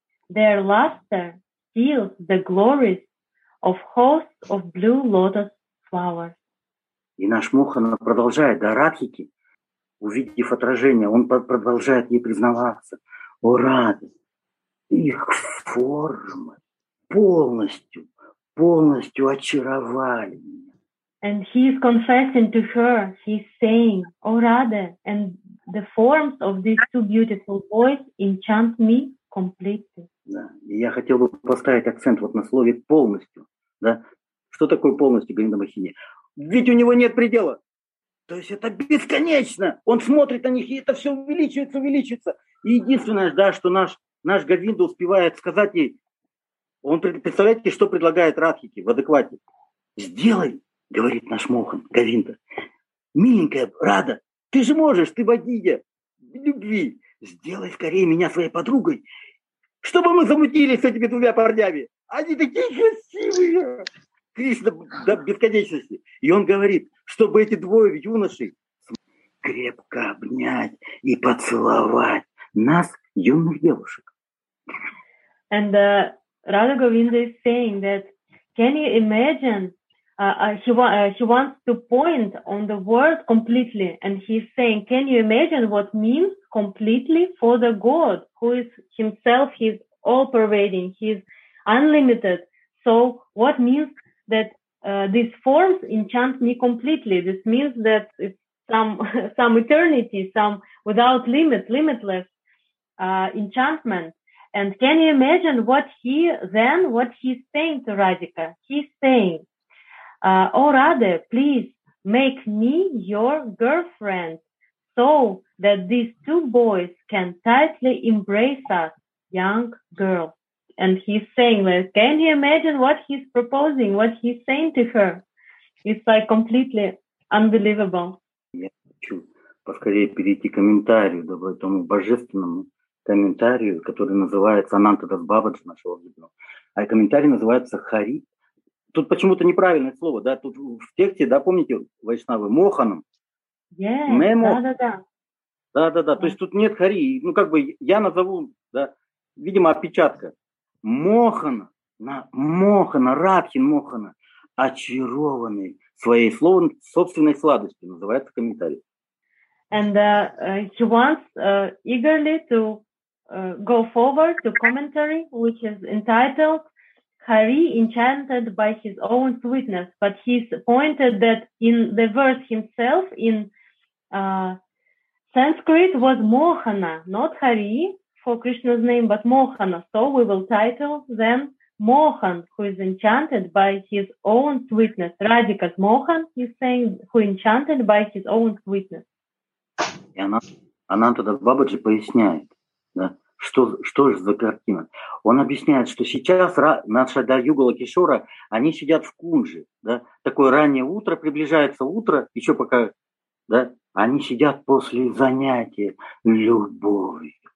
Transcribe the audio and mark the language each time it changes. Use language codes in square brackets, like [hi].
[en] Their luster steals the glories of hosts of blue lotus flowers. [ru] И наш Мохан продолжает, да, Радхики, увидев отражение, он продолжает ей признаваться. О, Рада, их формы полностью, полностью очаровали меня. [en] And he is confessing to her, he's saying, [ru] О, Рада, [en] and the forms of these two beautiful boys enchant me completely. [ru] Да, и я хотел бы поставить акцент вот на слове полностью, да. Что такое полностью, Гринда Махини? Ведь у него нет предела. То есть это бесконечно. Он смотрит на них, и это все увеличивается, увеличивается. И единственное, да, что наш Говинда успевает сказать ей, он, представляете, что предлагает Радхике в адеквате? Сделай, говорит наш Мохан, Говинда. Миленькая Рада, ты же можешь, ты богиня любви. Сделай скорее меня своей подругой, чтобы мы замутились с этими двумя парнями. Они такие красивые. Кришна до бесконечности. И он говорит, чтобы эти двое юношей крепко обнять и поцеловать нас, юных девушек. [en] And Radha Govinda is saying that, can you imagine, he wants to point on the word completely, and he's saying, can you imagine what means completely for the God, who is himself, he's all-pervading, he's unlimited. So what means that these forms enchant me completely. This means that it's some eternity, some without limit, limitless enchantment. And can you imagine what he's saying to Radhika? He's saying, oh, Radha, please make me your girlfriend so that these two boys can tightly embrace us, young girl. And he's saying that, like, can you imagine what he's proposing, what he's saying to her? It's like completely unbelievable. [ru] Я хочу поскорее перейти к комментарию, да, тому божественному комментарию, который называется Ананта Дас Бабаджи нашего видео. А комментарий называется Хари. Тут почему-то неправильное слово, да, тут в тексте, да, помните, Вайшнавы, Моханом? Да. То есть тут нет Хари. Ну, как бы я назову, да, видимо, опечатка. Мохана, на Мохана, Радхин Мохана, очарованный своей словом, собственной сладостью, называется комментарий. [en] And he wants eagerly to go forward to commentary, which is entitled Hari enchanted by his own sweetness. But he's pointed that in the verse himself in Sanskrit was Mohana, not Hari. For Krishna's name, but Mohana. So we will title them Mohan, who is enchanted by his own sweetness. Radhika's Mohan, he's saying, who enchanted by his own sweetness. [ru] И она тогда Бабаджи поясняет, да, что же за картина. Он объясняет, что сейчас наша Даюгала Кишора, они сидят в кунже. Да, такое раннее утро, приближается утро, еще пока, да, они сидят после занятия любовью.